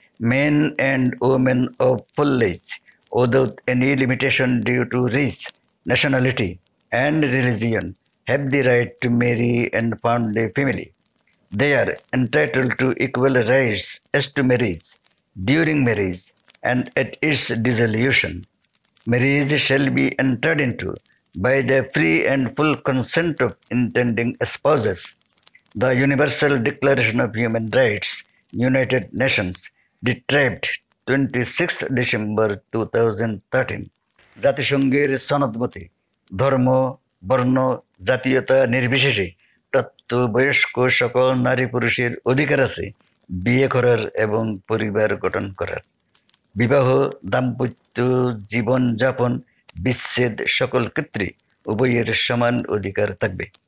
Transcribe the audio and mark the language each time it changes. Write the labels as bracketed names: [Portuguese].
[English] Men and women of full age without any limitation due to race nationality and religion have the right to marry and found a family, they are entitled to equal rights as to marriage during marriage and at its dissolution marriage shall be entered into by the free and full consent of intending spouses. The Universal Declaration of Human Rights, United Nations, derived 26th December 2013. [Bangla] জাতিসংঘের সনদ মতে ধর্ম বর্ণ জাতীয়তা নির্বিশেষে প্রাপ্ত বয়স্ক সকল নারী পুরুষের অধিকার আছে বিয়ে করার এবং পরিবার গঠন করার। বিবাহ দাম্পত্য জীবন যাপন বিচ্ছেদ সকল ক্ষেত্রে উভয়ের সমান অধিকার থাকবে।